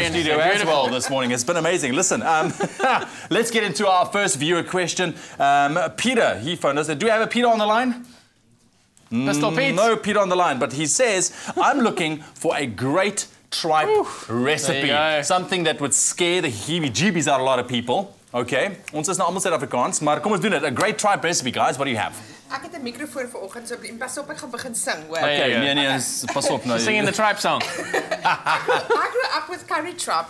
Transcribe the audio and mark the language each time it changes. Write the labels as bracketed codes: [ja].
[en] about the studio as well this morning. It's been amazing. Listen, let's get into our first viewer question. Peter, he phoned us. Do we have a Peter on the line? Pistol Pete? No Peter on the line, but he says, I'm looking for a great tripe recipe. Something that would scare the heebie-jeebies out of a lot of people. [af] Okay, ons is nou almal Suid-Afrikaans, maar kom ons doen dit. [en] A great tribe recipe, guys. What do you have? [af] Ek het 'n mikrofoon vir oggend, so pas op, ek gaan begin sing, hoor. Okay, nee, pas op nou. [en] Singing the tribe song. I grew up with curry tribe.